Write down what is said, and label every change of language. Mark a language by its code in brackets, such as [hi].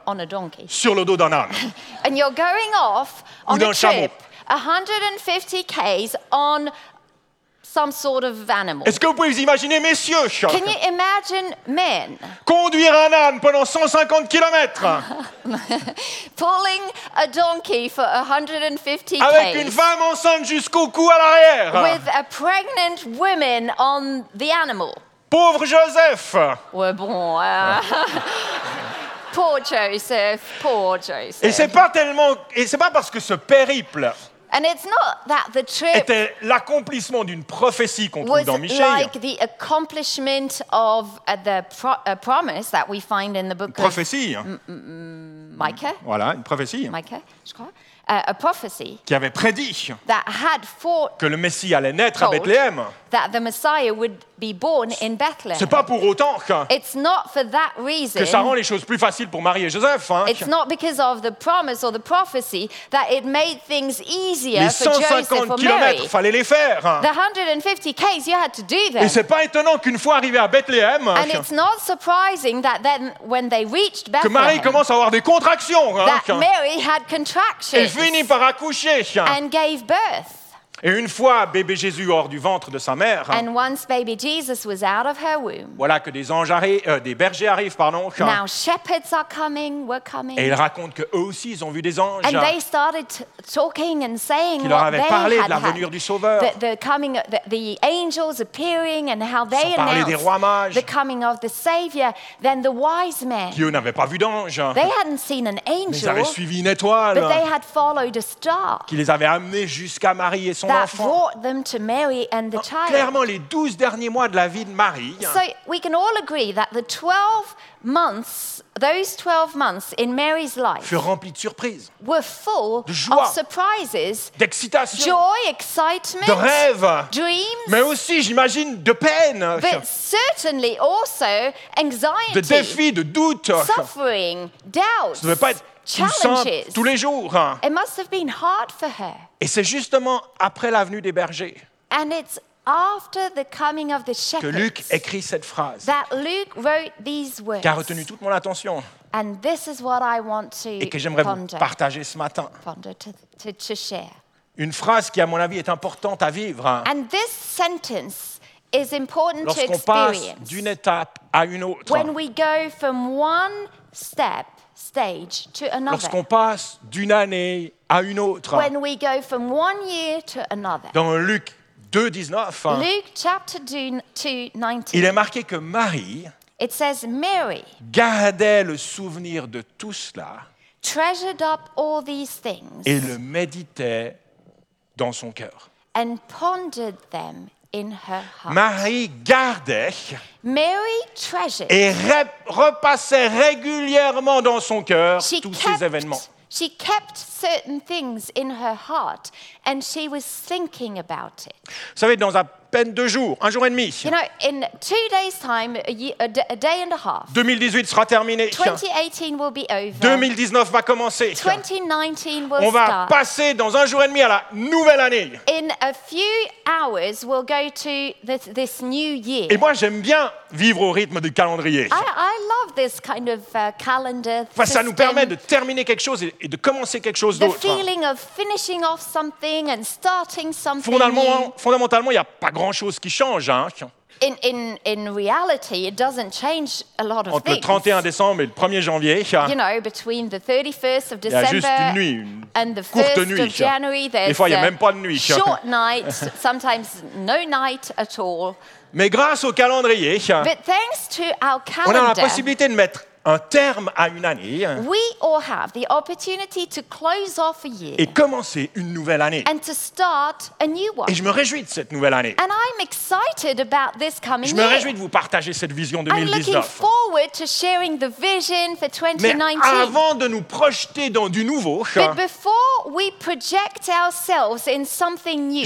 [en] On a donkey. [fr] Sur le dos d'un âne. [en] And you're going off on a trip. 150 km on some sort of animal. [fr] Est-ce que vous pouvez vous imaginer, messieurs, Choc? [en] Can you imagine men? [fr] Conduire un âne pendant 150 km. [en] Pulling a donkey for 150 km. [fr] Avec une femme enceinte jusqu'au cou à l'arrière. [en] With a pregnant woman on the animal. [fr] Pauvre Joseph. Ouais, bon. [en] Poor Joseph, poor Joseph. [fr] Et c'est pas tellement, et c'est pas parce que ce périple [en] and it's not that the trip [fr] était l'accomplissement d'une prophétie qu'on trouve dans Michée. [en] Like the accomplishment of the promise that we find in the book [fr] une prophétie. [en] Of Micah. [fr] Voilà, une prophétie. [en] Micah, [fr] je crois. [en] A prophecy [fr] qui avait prédit [en] that had fought [fr] que le Messie allait naître à Bethléem. [en] That the Messiah would be born in Bethlehem. [fr] C'est pas pour autant que [en] it's not for that reason [fr] que ça rend les choses plus faciles pour Marie et Joseph. Hein, [en] it's not because of the promise or the prophecy that it made things easier for Joseph or Mary. [fr] Les 150 kilomètres, il fallait les faire. Hein. [en] The 150 k's, you had to do them. [fr] Et c'est pas étonnant qu'une fois arrivé à Bethléem, [en] and it's not surprising that then when they reached Bethlehem, [fr] que Marie commence à avoir des contractions. Hein, [en] that Mary had contractions. [fr] Et finit par accoucher. [en] And gave birth. [fr] Et une fois bébé Jésus hors du ventre de sa mère, [en] and once baby Jesus was out of her womb, [fr] voilà que des anges arrivent, des bergers arrivent, pardon. [en] Now shepherds are coming, were coming. [fr] Et ils racontent qu'eux aussi, ils ont vu des anges. [en] And they started talking and saying [fr] qu'ils leur avaient parlé de la venue du Sauveur. [en] The angels appearing and how they [fr] ils ont parlé des rois mages. [en] The coming of the Savior, then the wise men. [fr] Qui eux n'avaient pas vu d'ange. [en] They hadn't seen an angel. [fr] Ils avaient suivi une étoile. [en] But they had followed a star. [fr] Qui les avait amenés jusqu'à Marie et son [en] that brought them to Mary and the child. [fr] Clairement, les 12 derniers mois de la vie de Marie. [en] So we can all agree that the 12 months, those 12 months in Mary's life, [fr] furent remplis de surprises, [en] were full [fr] de joie, [en] of surprises, [fr] d'excitation, [en] joy, excitement, [fr] de rêves, [en] dreams, [fr] mais aussi, j'imagine, de peine, [en] but certainly also anxiety, [fr] de défis, de doutes, [en] suffering, doubts. [fr] Ça ne devait pas être [en] challenges [fr] tous les jours. [en] It must have been hard for her. [fr] Et c'est justement après la venue des bergers. [en] And it's after the coming of the shepherds. [fr] Que Luc écrit cette phrase. [en] That Luke wrote these words. [fr] Qui a retenu toute mon attention. [en] And this is what I want to [fr] et que j'aimerais vous partager ce matin. [en] To share. [fr] Une phrase qui, à mon avis, est importante à vivre. [en] And this sentence is important [fr] lorsqu'on [en] to experience. [fr] Passe d'une étape à une autre. [en] When we go from one step. Stage to another. [fr] Lorsqu'on passe d'une année à une autre. [en] When we go from one year to another. [fr] Dans Luc 2, 19. [en] Luke chapter 2, 19. [fr] Il est marqué que Marie. [en] It says Mary. [fr] Gardait le souvenir de tout cela. [en] Treasured up all these things. [fr] Et le méditait dans son cœur. [en] And pondered them in her heart. [fr] Marie gardait. [en] Mary treasured. [fr] Et repassait régulièrement dans son cœur tous ces événements. [en] She kept certain things in her heart and she was thinking about it. [fr] Vous savez, dans à peine deux jours, un jour et demi. [en] You know, in two days' time, a day and a half. [fr] 2018 sera terminé. [en] 2018 will be over. [fr] 2019 va commencer. [en] 2019 will [fr] on On va passer dans un jour et demi à la nouvelle année. [en] In a few hours, we'll go to this new year. [fr] Et moi, j'aime bien vivre au rythme du calendrier. [en] I love this kind of calendar. [fr] Enfin, ça nous permet de terminer quelque chose et de commencer quelque chose d'autre. [en] The feeling of finishing off something and starting something. [fr] Fondamentalement, il y a pas grand chose qui change, hein. [en] In reality, it doesn't change a lot of things. [fr] Entre le 31 décembre et le 1er janvier, [en] you know, between the 31st of December, [fr] il y a juste une nuit, [en] and the 1st of January, [fr] des fois il y a même pas de nuit. [en] Short night, sometimes no night at all. [fr] Mais grâce au calendrier, [en] but thanks to our calendar, [fr] on a la possibilité de mettre un terme à une année. [en] We all have the opportunity to close off a year. [fr] Et commencer une nouvelle année. [en] And to start a new one. [fr] Et je me réjouis de cette nouvelle année. [en] And I'm excited about this coming year. [fr] Je me réjouis de vous partager cette vision 2019. [en] I'm looking forward to sharing the vision for 2019. [fr] Mais avant de nous projeter dans du nouveau. [en] But before we project ourselves in something new.